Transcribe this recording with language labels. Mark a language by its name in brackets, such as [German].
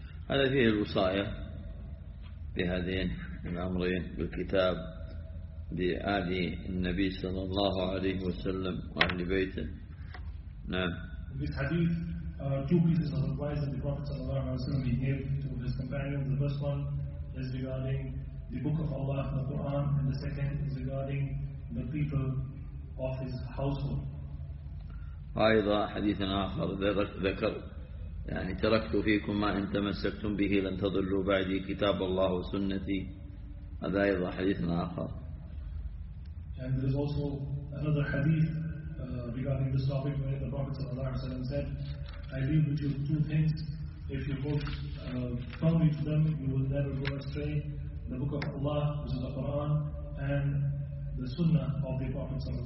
[Arabic] هذا فيه الوصايا بهذين الأمرين بالكتاب لآل النبي صلى الله عليه وسلم وآل بيته. نعم. [English] This hadith, two pieces of advice that the Prophet [Arabic] صلى الله عليه وسلم [English] gave to his companions. The first one is regarding the book of Allah, the Quran, and the second is regarding the people of his household. [Arabic] أيضا حديث آخر ذكر يعني تركت فيكم ما إن تمسكتم به لن تضلوا بعدي كتاب الله وسنتي. هذا أيضا حديث آخر. [English] And there is also another hadith regarding this topic where the Prophet said, I leave with you two things. If you hold firmly to them, you will never go astray. The book of Allah, which is the Quran, and the Sunnah of the Prophet.